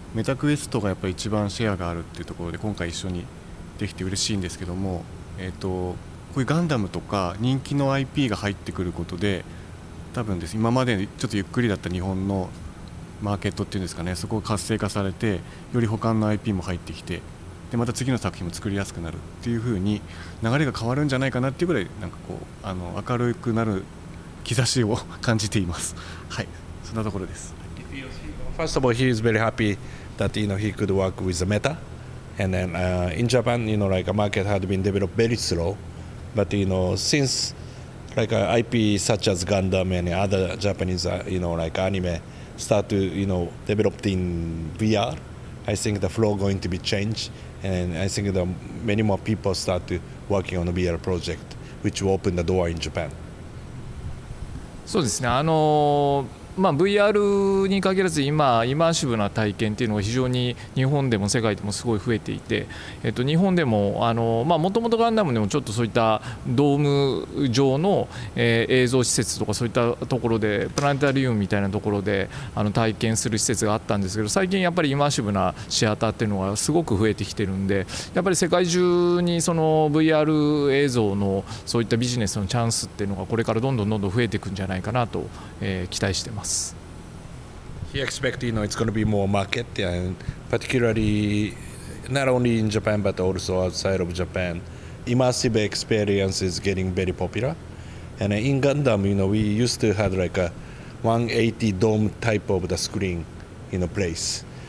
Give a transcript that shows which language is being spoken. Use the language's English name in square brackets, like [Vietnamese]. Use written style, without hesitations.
[Japanese] メタクエストがやっぱり一番シェアがあるっていうところで今回一緒にできて嬉しいんですけども、こういうガンダムとか人気の IP が入ってくることで、多分です、今までちょっとゆっくりだった日本のマーケットっていうんですかね、そこが活性化されて、より他の IP も入ってきて、でまた次の作品も作りやすくなるっていう風に流れが変わるんじゃないかなっていうぐらい、なんかこう明るくなる兆しを感じています。はい、そんなところです。 [English] First of all, he is very happy that, you know, he could work with Meta, and then in Japan, you know, like a market had been developed very slow, but, you know, since like IP such as Gundam and other Japanese, you know, like anime start to, you know, developed in VR, I think the flow going to be changedAnd I think that many more people start to working on a VR project, which will open the door in Japan. [Japanese] そうですね。 VR に限らず今、イマーシブな体験というのが非常に日本でも世界でもすごい増えていて、日本でも、もともとガンダムでもちょっとそういったドーム上の、映像施設とかそういったところでプラネタリウムみたいなところで体験する施設があったんですけど、最近やっぱりイマーシブなシアターというのがすごく増えてきているので、やっぱり世界中にその VR 映像のそういったビジネスのチャンスというのがこれからどんどん増えていくんじゃないかなと、期待しています。 [English] He expects, you know, it's going to be more market, and particularly not only in Japan but also outside of Japan. Immersive experience is getting very popular. And in Gundam, you know, we used to have like a 180 dome type of the screen, you know, place.